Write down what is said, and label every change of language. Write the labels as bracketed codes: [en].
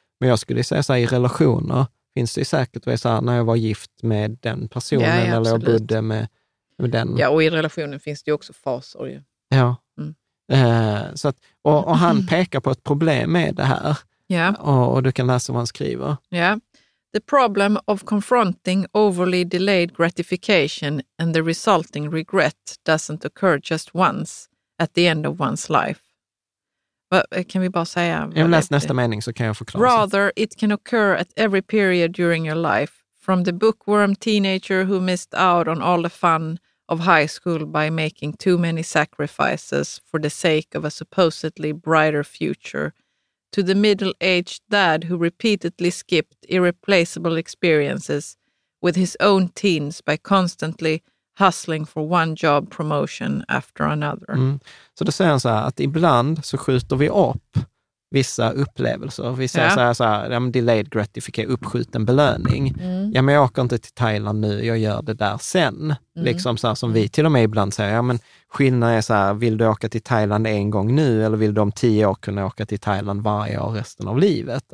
[sv] Men jag skulle säga så här, i relationer finns det säkert så här, när jag var gift med den personen eller jag bodde med den. Ja, och i relationen finns det ju också faser. Ju. Ja. Så att, och han pekar på ett problem med det här. Yeah. Och du kan läsa vad han skriver. Yeah. [en] The problem of confronting overly delayed gratification and the resulting regret doesn't occur just once at the end of one's life. [sv] Kan vi bara säga? Jag läser nästa mening så kan jag förklara. [en] Rather, it can occur at every period during your life. From the bookworm teenager who missed out on all the fun of high school by making too many sacrifices for the sake of a supposedly brighter future, to the middle-aged dad who repeatedly skipped irreplaceable experiences with his own teens by constantly hustling for one job promotion after another. Mm. [sv] Så då säger han så här, att ibland så skjuter vi upp vissa upplevelser. Vi säger så här, [en] delayed gratification, [sv] uppskjuten belöning. Mm. Ja, men jag åker inte till Thailand nu, jag gör det där sen. Mm. Liksom så här, som vi till och med ibland säger, ja men skillnaden är så här, vill du åka till Thailand en gång nu eller vill du om 10 år kunna åka till Thailand varje år resten av livet?